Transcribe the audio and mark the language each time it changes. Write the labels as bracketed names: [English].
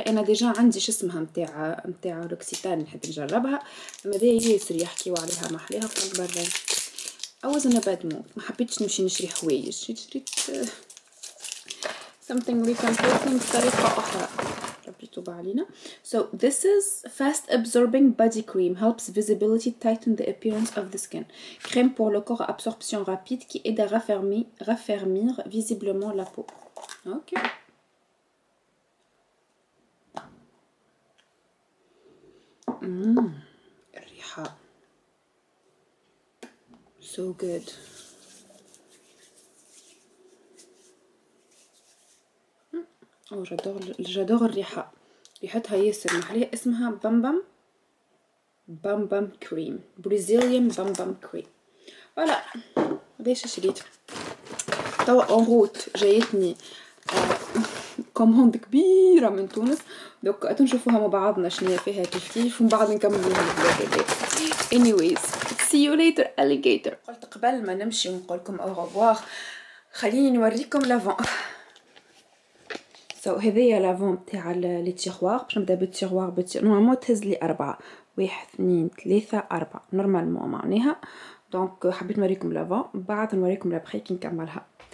[Arabic] انا ديجا عندي شو اسمها نتاع روكسيتان، نحب نجربها، اما ذي ياسر يحكيو عليها محليها في البرا. اوز انا باد مود، ما حبيتش نمشي نشري حوايج، شريت [English] something we can put in [Arabic] طريقة اخرى، ربي يتوب علينا. [English] So this is fast absorbing body cream helps visibility tighten the appearance of the skin. [French] Crème pour le corps absorption rapide qui aide à raffermir visiblement la peau. [English] OK. الريحة so good. [Arabic] جدور الريحة، ريحتها ياسر محلية، اسمها بام بام كريم، بريزيليان بام بام كريم. ولا ديش شريت توا اون روت جايتني كوموند كبيره من تونس، دوك تنشوفوها مع بعضنا شنو فيها كيف كيف، ومن بعد نكملوا البلوك هذا. [English] anyways see you later alligator. [Arabic] قلت قبل ما نمشي نقولكم او غوار، خليني نوريكم لافون. سو هذيا لافون تاع لي تيغوار، باش نبدا بالتيغوار نورمالمون تهز لي اربعه، واحد اثنين ثلاثه اربعه نورمالمون معناها. دونك حبيت نوريكم لافون، بعد نوريكم لابخي كي نكملها.